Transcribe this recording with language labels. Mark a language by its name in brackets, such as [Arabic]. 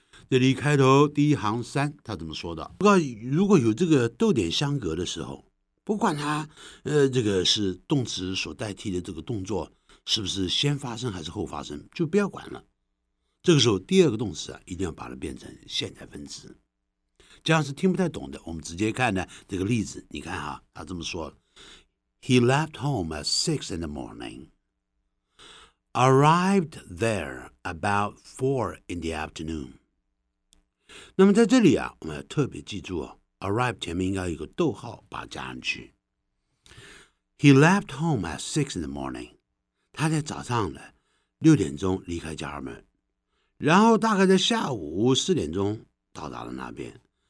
[Chinese] 这里开头第一行三，他怎么说的？如果有这个逗点相隔的时候，不管它这个是动词所代替的这个动作是不是先发生还是后发生，就不要管了。这个时候第二个动词啊，一定要把它变成现在分词。这样是听不太懂的，我们直接看呢这个例子。你看啊，他这么说， [English] He left home at 6 in the morning， arrived there about 4 in the afternoon。 [Chinese] 那么在这里啊，我们要特别记住哦， arrived 前面应该有一个逗号把它加上去。 [English] He left home at 6 in the morning， [Chinese] 他在早上呢6点钟离开家门，然后大概在下午4点钟到达了那边。